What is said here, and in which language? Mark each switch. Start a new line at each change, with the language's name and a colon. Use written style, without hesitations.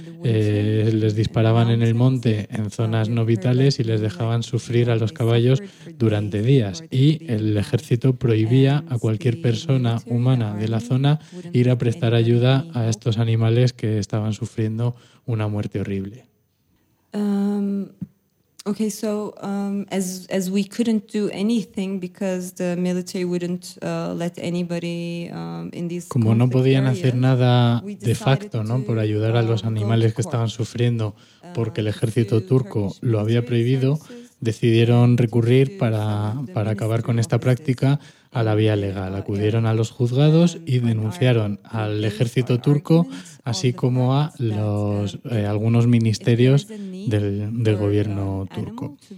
Spanish: Les disparaban en el monte, en zonas no vitales, y les dejaban sufrir a los caballos durante días. Y el ejército prohibía a cualquier persona humana de la zona ir a prestar ayuda a estos animales que estaban sufriendo una muerte horrible.
English: Okay, so as we couldn't do anything because the military wouldn't let anybody in these.
Spanish: Como no podían hacer nada de facto, ¿no? Por ayudar a los animales que estaban sufriendo, porque el ejército turco lo había prohibido, decidieron recurrir para acabar con esta práctica a la vía legal. Acudieron a los juzgados y denunciaron al ejército turco, así como a algunos ministerios del gobierno turco.